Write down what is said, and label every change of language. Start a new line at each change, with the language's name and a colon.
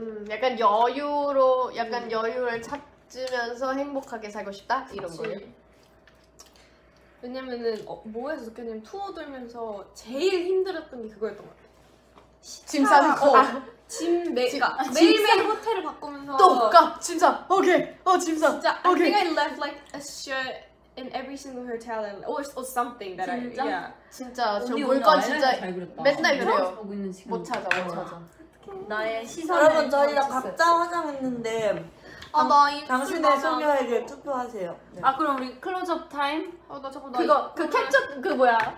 Korean: 약간 여유로 약간 여유를 찾으면서 행복하게 살고 싶다? 이런 거예요. 왜냐면은 뭐에서 느꼈냐면 투어 돌면서 제일 힘들었던 게 그거였던 것 같아. 짐 싸는 거. 짐 메가. 매일매일 호텔을 바꾸면서 또 가! 짐 싸! 오케이! 어 짐 싸! 진짜 오케이.
English: I think I left like a shirt in every single hotel and or something that
Korean: 진짜?
English: I yeah.
Korean: 진짜 저 물건 진짜 맨날 그래요. 보고 있는 지금. 못 찾아 못 찾아. 나의 시선을 여러분 저희가 각자 화장했는데 당신의 소녀에게 투표하세요. 네. 아 그럼 우리 클로즈업 타임? 어 나 잠깐 그거 그 캡처 그 뭐야?